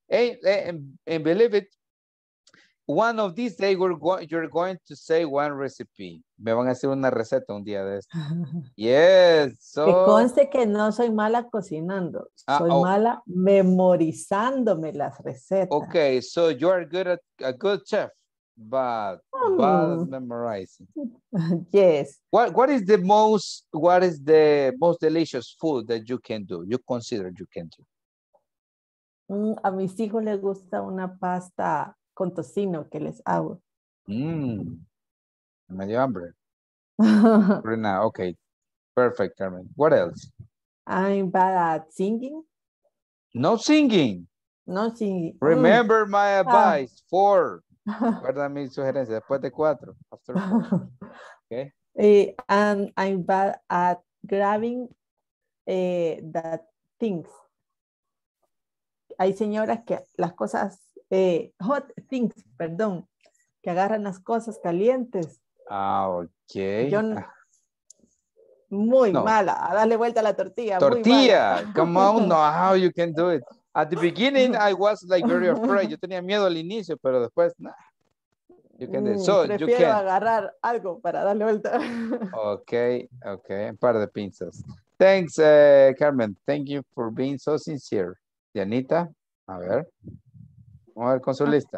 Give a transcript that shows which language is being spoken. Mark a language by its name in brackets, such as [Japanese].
[English] And believe it, one of these days you're going to say one recipe. [Spanish] Me van a hacer una receta un día de esto. [English] Yes. So. [Spanish] Que conste que no soy mala cocinando. Soy mala memorizándome las recetas. [English] Okay, so you are good at a good chef, but bad at memorizing. Yes. What is the most delicious food that you can do? You consider you can do. [Spanish] A mis hijos les gusta una pasta con tocino que les hago. Me dio hambre. [English] Right now, okay, perfect, Carmen. What else? I'm bad at singing. No singing. Remember my advice. Four. [Spanish] Guarda mi sugerencia. Después de cuatro. [English] After four. [Spanish] Okay. [English] And I'm bad at grabbing the things. [Spanish] Hay señoras que las cosas [English] hot things, [Spanish] perdón, que agarran las cosas calientes. [English] Okay. [Spanish] Mala. A darle vuelta a la tortilla. Tortilla. [English] Come on, no, how you can do it. At the beginning, I was like very afraid. [Spanish] Yo tenía miedo al inicio, pero después, nah. [English] You can do it. So, [Spanish] prefiero [English] you can. [Spanish] Agarrar algo para darle vuelta. Okay. Un par de pinzas. [English] Thanks, [Spanish] Carmen. [English] Thank you for being so sincere. [Spanish] Dianita, a ver. Vamos a ver con su lista.